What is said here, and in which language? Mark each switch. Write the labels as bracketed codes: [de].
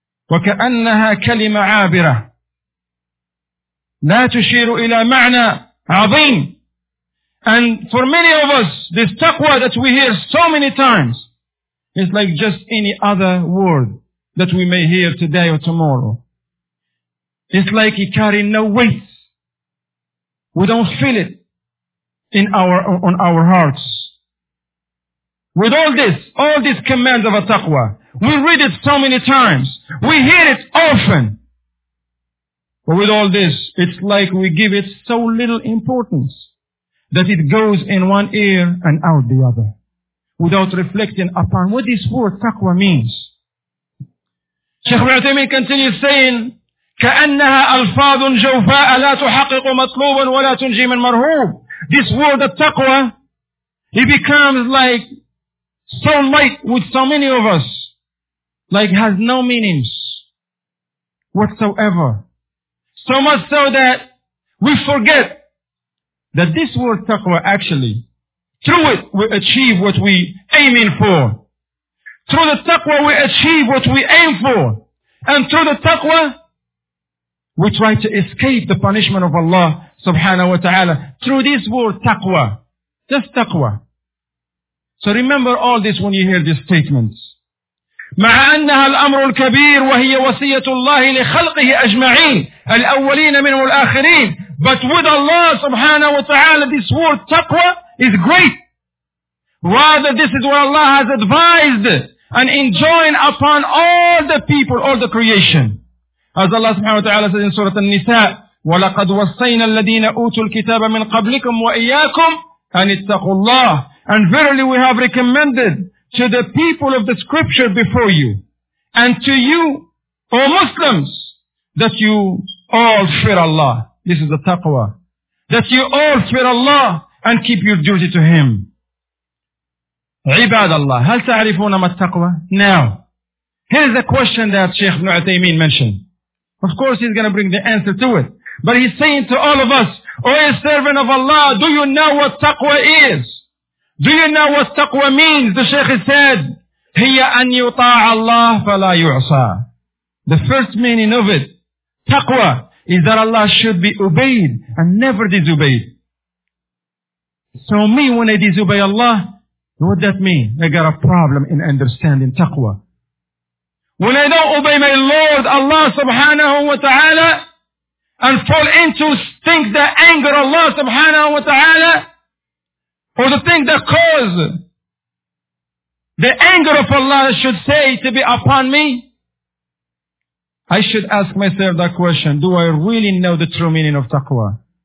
[ar] وكأنها كلمة عابرة لا تشير إلى معنى عظيم. [en] And for many of us, this taqwa that we hear so many times is like just any other word that we may hear today or tomorrow. It's like it carries no weight. We don't feel it on our hearts. With all this command of a taqwa, we read it so many times. We hear it often. But with all this, it's like we give it so little importance that it goes in one ear and out the other without reflecting upon what this word taqwa means. Shaykh Ibn Uthaymeen continues saying, [ar] كَأَنَّهَا أَلْفَاظٌ جَوْفَاءَ لَا تُحَقِّقُ مَطْلُوبًا وَلَا تُنْجِي مَنْ مَرْهُوبٌ. [en] This word of taqwa, it becomes like so light with so many of us, like has no meanings whatsoever. So much so that we forget that this word taqwa actually, through it we achieve what we aiming for. Through the taqwa we achieve what we aim for. And through the taqwa, we try to escape the punishment of Allah subhanahu wa ta'ala. Through this word taqwa. Just taqwa. So remember all this when you hear these statements. [ar] مَعَ أَنَّهَا الْأَمْرُ الْكَبِيرُ وَهِيَ وَصِيَّةُ اللَّهِ لِخَلْقِهِ أَجْمَعِينَ الْأَوَّلِينَ مِنْهُ الْآخِرِينَ. [en] But with Allah subhanahu wa ta'ala, this word taqwa is great. Rather, this is what Allah has advised and enjoined upon all the people, all the creation. As Allah subhanahu wa ta'ala says in Surah An-Nisa, [ar] وَلَقَدْ وَصَّيْنَا الَّذِينَ أُوتُوا الْكِتَابَ مِنْ قَبْلِكُمْ وَإِيَّاكُمْ أَنِ اتَّقُوا اللَّهَ. [en] And verily we have recommended to the people of the scripture before you, and to you, O Muslims, that you all fear Allah. This is the taqwa. That you all fear Allah and keep your duty to Him. [ar] عباد الله هل تعرفون ما التقوى؟ [en] Now, here is a question that Shaykh Ibn Uthaymeen mentioned. Of course he's going to bring the answer to it. But he's saying to all of us, O servant of Allah, do you know what taqwa is? Do you know what taqwa means? The Shaykh said, [ar] هي أن يطاع الله فلا يعصى. [en] The first meaning of it, taqwa, is that Allah should be obeyed and never disobeyed. So me, when I disobey Allah, what that mean? I got a problem in understanding taqwa. When I don't obey my Lord, Allah subhanahu wa ta'ala, and fall into things that anger Allah subhanahu wa ta'ala, or the thing that cause the anger of Allah should say to be upon me, I should ask myself that question, do I really know the true meaning of taqwa?